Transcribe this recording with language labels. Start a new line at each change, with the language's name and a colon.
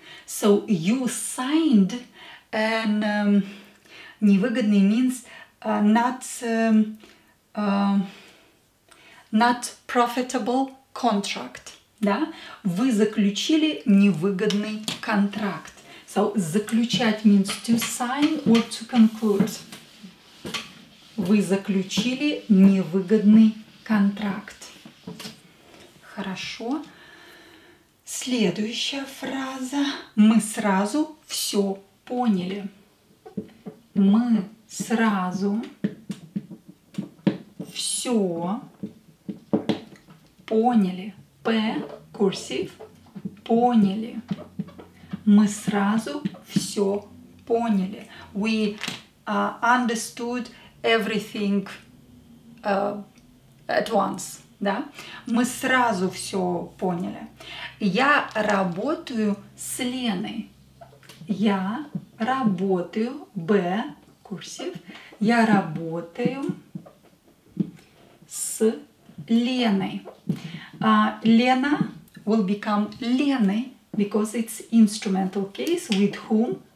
English: So you signed and невыгодный means not profitable contract.
Russian: да, вы заключили невыгодный контракт.
English: So, заключать means to sign or to conclude.
Russian: Вы заключили невыгодный контракт. Хорошо. Следующая фраза. Мы сразу все поняли. Мы сразу все поняли. P, курсив, поняли. Мы сразу все поняли.
English: We understood everything at once. Да?
Russian: Мы сразу все поняли. Я работаю с Леной. Я работаю, B, курсив, я работаю с Леной.
English: Лена will become Леной, because it's instrumental case, with whom?